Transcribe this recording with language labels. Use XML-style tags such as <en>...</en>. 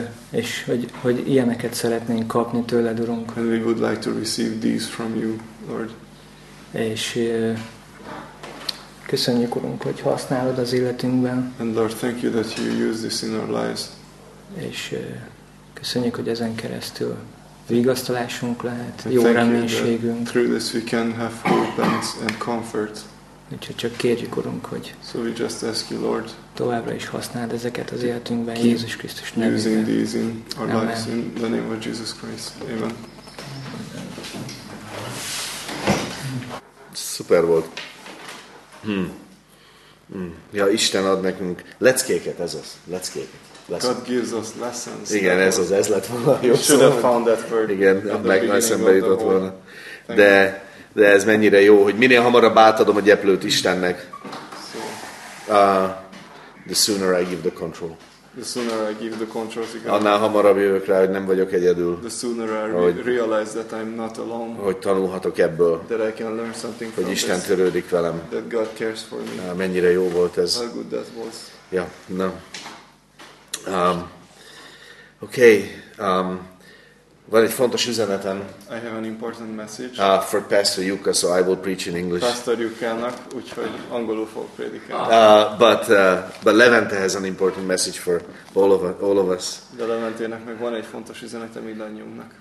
<hu>És hogy ilyeneket szeretnénk kapni tőled, Urunk.</hu> <en>And we would like to receive these from you, Lord.</en> <hu>És köszönjük, Urunk, hogy használod az életünkben.</hu> <en>And Lord, thank you that you use this in our lives.</en> <hu>És köszönjük, hogy ezen keresztül vigasztalásunk lehet, jó reménységünk.</hu> <en>Through this we can have hope and comfort.</en> <hu>Úgyhogy csak kérjük, Urunk, hogy</hu> <en>so we just ask you, Lord,</en> <hu>továbbra is használd ezeket az életünkben Jézus Krisztus nevében.</hu> <en>Amen. Lives in the name of Jesus Christ. Amen.</en> <hu>Szuper volt. Ja, Isten ad nekünk leckéket, ez az, leckéket.</hu> <en>God gives us lessons.</en> <hu>Igen, ez lett volna.</hu> <en>You should have found that word.</en> <hu>Igen, meg nagy szembe jutott volna. De ez mennyire jó, hogy minél hamarabb átadom a gyeplőt Istennek.</hu> <en>The sooner I give the control. The sooner I give the control.</en> <hu>Annál hamarabb jövök rá, hogy nem vagyok egyedül.</hu> <en>The sooner I realize that I'm not alone.</en> <hu>Hogy tanulhatok ebből.</hu> <en>That I can learn something from</en> <hu>Hogy Isten törődik velem.</hu> <en>That God cares for me.</en> <hu>Mennyire jó volt ez.</hu> <en>How good that was.</en> <hu>Ja, na.</hu> <en>Okay.</en> <hu>Van egy fontos üzenetem.</hu> <en>I have an important message. For Pastor Yuka, so I will preach in English.</en> <hu>Pastor Yuka-nak, úgyhogy angolul fog prédikálni.</hu> <en>But Levente has an important message for all of us.</en> <hu>De Leventének meg van egy fontos üzenete mindannyiunknak.</hu>